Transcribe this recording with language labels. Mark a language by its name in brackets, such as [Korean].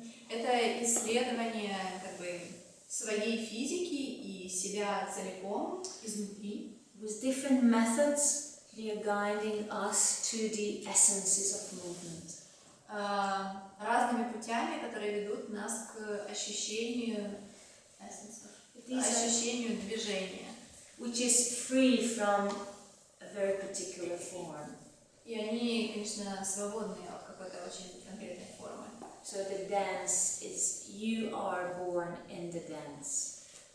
[Russian] Это исследование как бы своей физики и себя целиком изнутри. [English] With different methods, they are guiding us to the essences of movement. [Russian] Разными путями, которые ведут нас к ощущению движения, [English] which is free from a very particular form. [Russian] И они, конечно, свободны от какой-то очень конкретной формы. [English] So the dance is you are born in the dance.